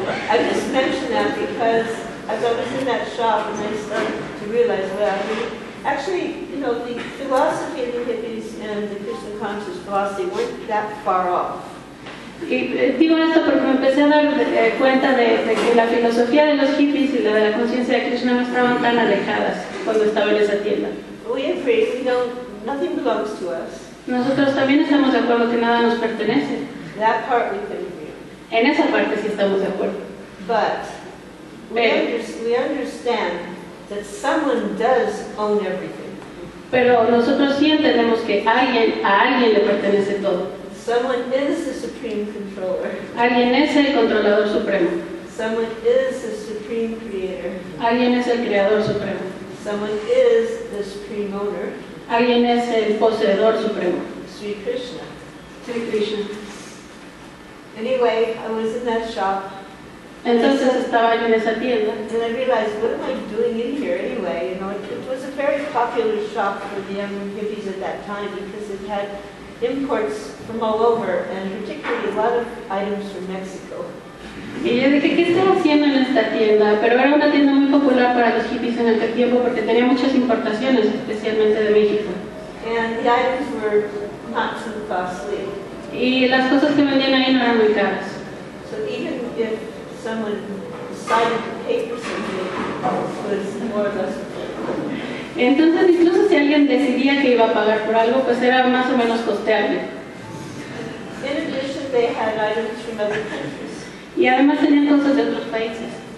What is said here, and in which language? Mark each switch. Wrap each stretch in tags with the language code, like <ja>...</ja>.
<en>I just mentioned that because as I was in that shop and I started to realize, well, actually, you know, the philosophy of the hippies and the Krishna conscious philosophy weren't that far off.</en> <es>Y digo esto porque me empecé a dar cuenta de que la filosofía de los hippies y la de la conciencia de Krishna no estaban tan alejadas cuando estaba en esa tienda.</es> <en>We agree, we know nothing belongs to us.</en> <es>Nosotros también estamos de acuerdo que nada nos pertenece.</es> <en>That part we can agree.</en> <es>En esa parte sí estamos de acuerdo.</es> <en>But we understand that someone does own everything.</en> <es>Pero nosotros sí entendemos que a alguien le pertenece todo.</es> <en>Someone is the supreme controller.</en> <es>Alguien es el controlador supremo.</es> <en>Someone is the supreme creator.</en> <es>Alguien es el creador supremo.</es> <en>Someone is the supreme owner.</en> <es>Alguien es el poseedor supremo.</es> <en>Sri Krishna.</en> <es>Sri Krishna.</es> <en>Anyway, I was in that shop.</en> <es>Entonces estaba yo en esa tienda.</es> <en>And I realized, what am I doing in here anyway? You know, it was a very popular shop for the young hippies at that time because it had imports from all over and particularly a lot of items from Mexico.</en> <es>Y yo dije, ¿qué estoy haciendo en esta tienda? Pero era una tienda muy popular para los hippies en aquel tiempo porque tenía muchas importaciones, especialmente de México.</es> <en>And the items were not too costly.</en> <es>Y las cosas que vendían ahí no eran muy caras.</es> <en>So even if someone decided to pay papers in the was more or less.</en> <es>Entonces, incluso si alguien decidía que iba a pagar por algo, pues era más o menos costeable.</es> <en>In addition, they had items from other countries.</en> <es>Y además tenían cosas de otros países.</es>